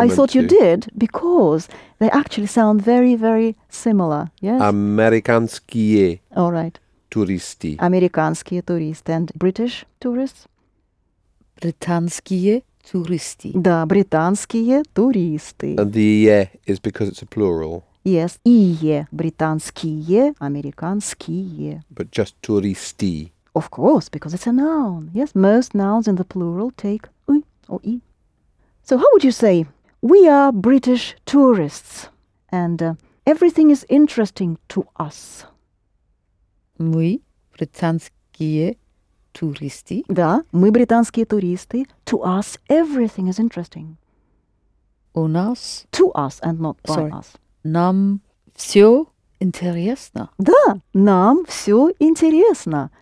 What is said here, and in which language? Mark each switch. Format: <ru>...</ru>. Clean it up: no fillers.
<en>I thought you did, because they actually sound very, very similar. Yes?</en> <ru>Американские.</ru> <en>All right.</en> <ru>Туристы. Американские туристы.</ru> <en>And British tourists?</en> <ru>Британские туристы. Да, британские туристы.</ru> <en>And the «е» is because it's a plural. Yes.</en> <ru>И «е». Британские, американские.</ru> <en>But just туристы. Of course, because it's a noun. Yes, most nouns in the plural take «ы» or «и». So how would you say, we are British tourists and everything is interesting to us?</en> <ru>Мы британские туристы. Да, мы британские туристы.</ru> <en>To us, everything is interesting.</en> <ru>У нас.</ru> <en>To us and not by Sorry. Us.</en> <ru>Нам всё интересно. Да, нам всё интересно.</ru>